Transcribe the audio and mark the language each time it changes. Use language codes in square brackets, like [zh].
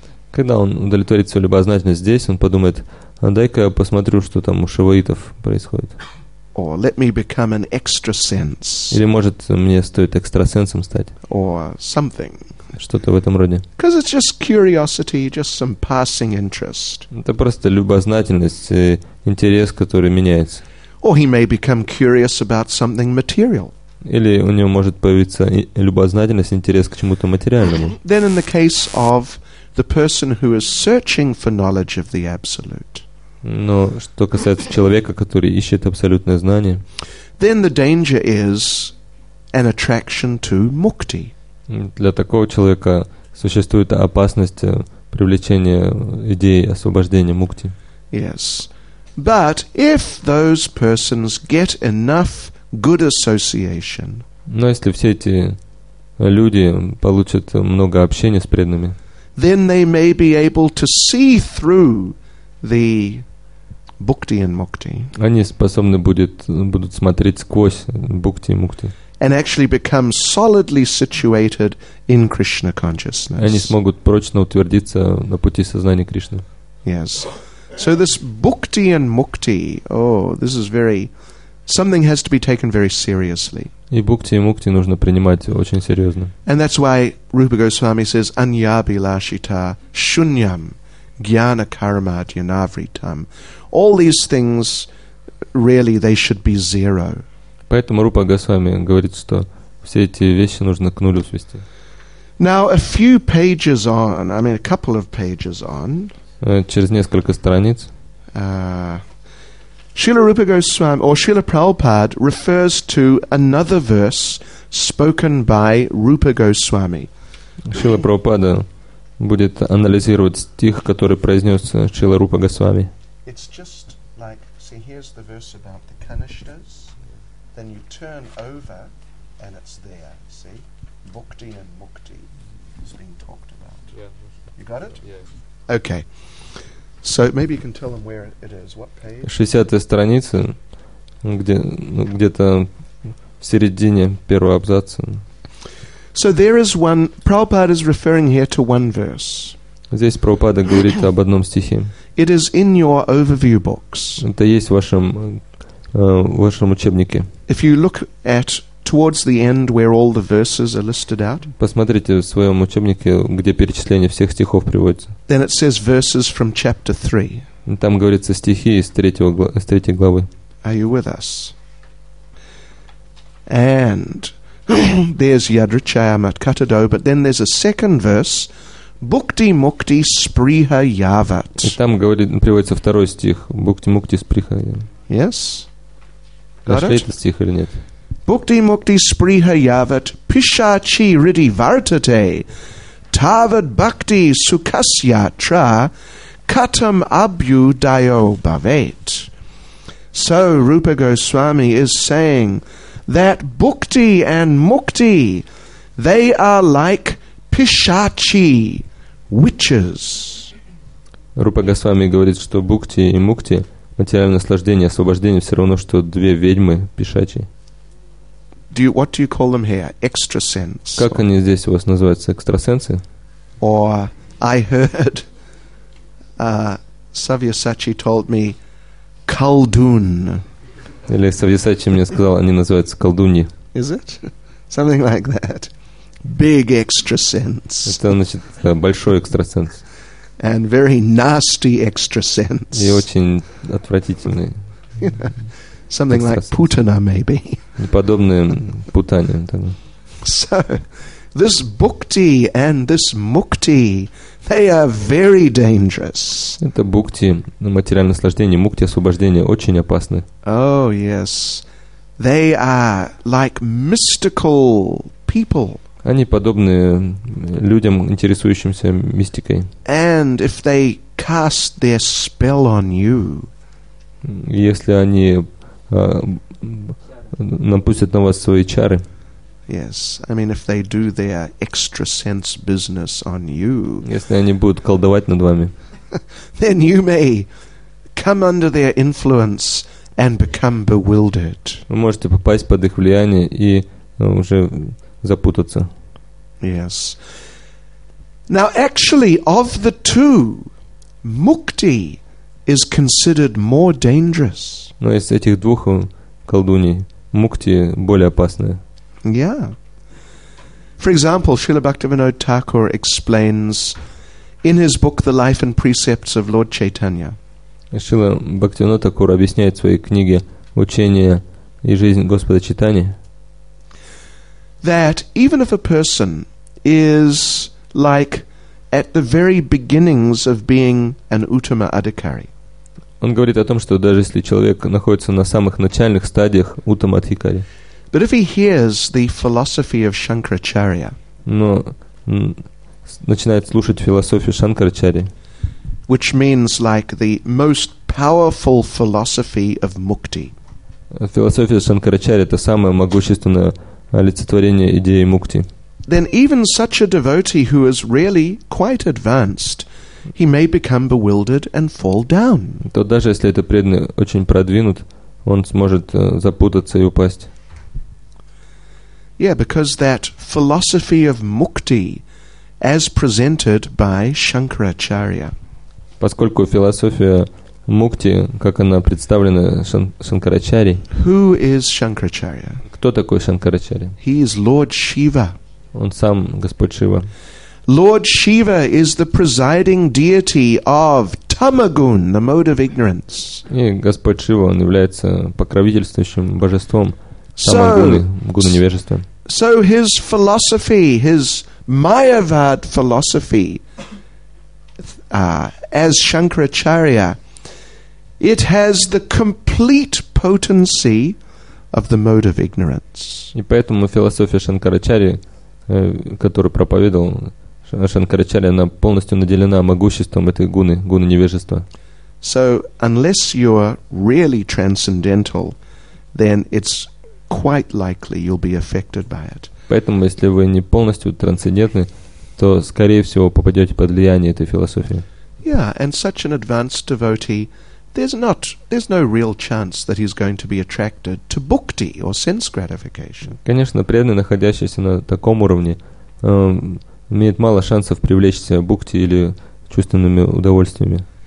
[ru] Когда он удовлетворит свою любознательность здесь, он подумает: а дай-ка я посмотрю, что там у шиваитов происходит. [en] Or let me become an extrasense. [ru] Или может мне стоит экстрасенсом стать. [en] Or something. [ru] Что-то в этом роде. [en] Because it's just curiosity, just some passing interest. [ru] Это просто любознательность, интерес, который меняется. [en] Or he may become curious about something material. [ru] Или у него может появиться любознательность, интерес к чему-то материальному. [en] Then in the case of the person who is searching for knowledge of the Absolute. [ru] Но что касается человека, который ищет абсолютное знание, [en] then the danger is an attraction to mukti. [ru] Для такого человека существует опасность привлечения идеи освобождения мукти. [en] Yes. But if those persons get enough good association, [ru] но если все эти люди получат много общения с преданными, [en] then they may be able to see through the bhakti and mukti. [ru] Они способны будут смотреть сквозь бхакти и мукти. [en] And actually become solidly situated in Krishna consciousness. [ru] Они смогут прочно утвердиться на пути сознания Кришны. [en] Yes. So this bhakti and mukti, oh, this is very... Something has to be taken very seriously. [ru] И бхакти и мукти нужно принимать очень серьезно. [en] And that's why Rupa Goswami says, [sa] Anyabhilashita shunyam jnana karma jnanavritam. [en] All these things, really, they should be zero. [ru] Поэтому Рупа Госвами говорит, что все эти вещи нужно к нулю свести. [en] Now, a few pages on, I mean, a couple of pages on. [ru] Через несколько страниц. [en] Srila Rupa Goswami, or Srila Prabhupada, refers to another verse spoken by Rupa Goswami. [ru] Srila Prabhupada будет анализировать стих, который произнес Srila Rupa Goswami. [en] It's just like, see, here's the verse about the Kanishtas. Then you turn over, and it's there, see? Bhakti and Mukti is being talked about. Yeah. You got it? Yeah. Okay. So maybe you can tell them where it is. What page? [ru] 60-я страница, где-то в середине первого абзаца. [en] So there is one. Prabhupada is referring here to one verse. [ru] Здесь Прабхупада говорит об одном стихе. [en] It is in your overview books. [ru] Это есть в вашем учебнике. [en] If you look at towards the end where all the verses are listed out. [ru] Посмотрите в своем учебнике, где перечисление всех стихов приводится. [en] Then it says verses from chapter 3. [ru] Там говорится стихи из третьей главы. [en] Are you with us? And there's Yadrachaya Matkatado, but then there's a second verse, Bhukti Mukti Spriha Yavat. [ru] И там приводится второй стих, Bhukti Mukti Spriha Yavat. [en] Yes? [ru] Нашли этот стих или нет? [sa] Bhukti mukti spriha yavat pishachi riddhi vartate tavad bhakti sukasya tra katam abhyu dayo bhavet. [en] So Rupa Goswami is saying that bhukti and mukti, they are like pishachi witches. [ru] Rupa Goswami говорит, что бхакти и мукти, материальное наслаждение, освобождение, все равно, что две ведьмы пишачи. [en] What do you call them here? Extrasense. [ru] Как они здесь у вас называются? Экстрасенсы? [en] Or I heard Savyasachi told me колдун. [ru] Или Савьясачи мне сказал, они называются колдуньи. [en] Is it? Something like that. Big extrasense. [ru] Это значит большой экстрасенс. [en] And very nasty extrasense. [ru] И очень отвратительный. [en] Something like Putana, maybe. [ru] Подобные путане. [en] So, this bhakti and this mukti, they are very dangerous. [ru] Это бхакти, материальное наслаждение, мукти, освобождение, очень опасны. [en] Oh, yes. They are like mystical people. [ru] Они подобны людям, интересующимся мистикой. [en] And if they cast their spell on you, [ru] если они напустят на вас свои чары. [en] Yes, I mean, if they do their extra sense business on you. [ru] Если они будут колдовать над вами. [en] Then you may come under their influence and become bewildered. [ru] Вы можете попасть под их влияние и уже запутаться. [en] Yes. Now, actually, of the two, mukti is considered more dangerous. [ru] Но из этих двух колдуний мукти более опасная. [en] Yeah. For example, Srila Bhaktivinoda Thakur explains in his book The Life and Precepts of Lord Chaitanya. [ru] Srila Bhaktivinoda Thakur объясняет в своей книге «Учение и жизнь Господа Чайтаньи». [en] That even if a person is like at the very beginnings of being an Uttama Adhikari. [ru] Он говорит о том, что даже если человек находится на самых начальных стадиях Uttama Adhikari. [en] But if he hears the philosophy of Shankaracharya. [ru] Но начинает слушать философию Шанкарачари. [en] Which means like the most powerful philosophy of mukti. [ru] Философия Шанкарачари это самое могущественное олицетворение идеи мукти. [en] Then even such a devotee who is really quite advanced, he may become bewildered and fall down. [ru] То даже если это преданный очень продвинут, он сможет запутаться и упасть. [en] Yeah, because that philosophy of mukti, as presented by Shankaracharya. [ru] Поскольку философия мукти, как она представлена Шанкарачари. [en] Who is Shankaracharya? [ru] Кто такой Шанкарачари? [en] He is Lord Shiva. [ru] Он сам Господь Шива. [en] Lord Shiva is the presiding deity of Tamagun, the mode of ignorance. [ru] И Господь Шива, он является покровительствующим божеством Тамагуны, гуны невежества. [en] So his philosophy, his Mayavad philosophy, as Shankaracharya, it has the complete potency of the mode of ignorance. [ru] И поэтому философия Шанкарачари, которую проповедовал Шанкарачари, она полностью наделена могуществом этой гуны, гуны невежества. [en] So unless you're really transcendental, then it's quite likely you'll be affected by it. [ru] Поэтому, если вы не полностью трансцендентны, то, скорее всего, попадете под влияние этой философии. [en] Yeah, and such an advanced devotee, there's no real chance that he's going to be attracted to bhakti or sense gratification. [ru] Конечно, преданный, находящийся на таком уровне, имеет мало шансов привлечься бхакти или чувственными удовольствиями.